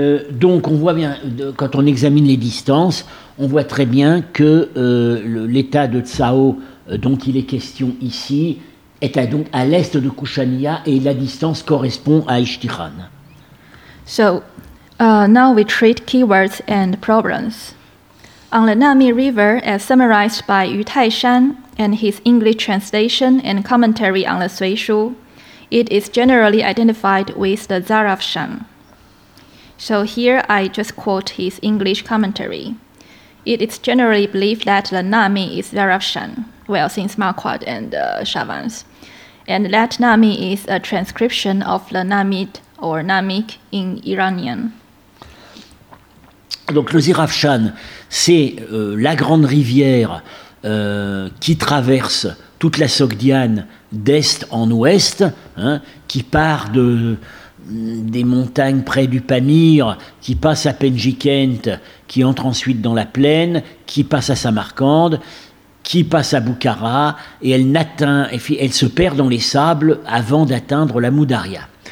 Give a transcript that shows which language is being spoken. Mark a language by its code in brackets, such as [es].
[fr] Donc on voit bien, quand on examine les distances, on voit très bien que l'état de Cao dont il est question ici est à l'est de Kushania et la distance correspond à Ishtihan. [en] So, now we treat keywords and problems. On the Nami River, as summarized by Yu Taishan and his English translation and commentary on the Suishu, it is generally identified with the Zarafshan. So here I just quote his English commentary. It is generally believed that the Nami is Zarafshan, well, since Marquardt and Chavans, and that Nami is a transcription of the Namid or Namik in Iranian. [fr] Donc le Zarafshan, c'est la grande rivière qui traverse toute la Sogdiane d'est en ouest, hein, qui part des montagnes près du Pamir, qui passe à Penjikent, qui entre ensuite dans la plaine, qui passe à Samarcande, qui passe à Boukhara, et elle se perd dans les sables avant d'atteindre la Moudaria.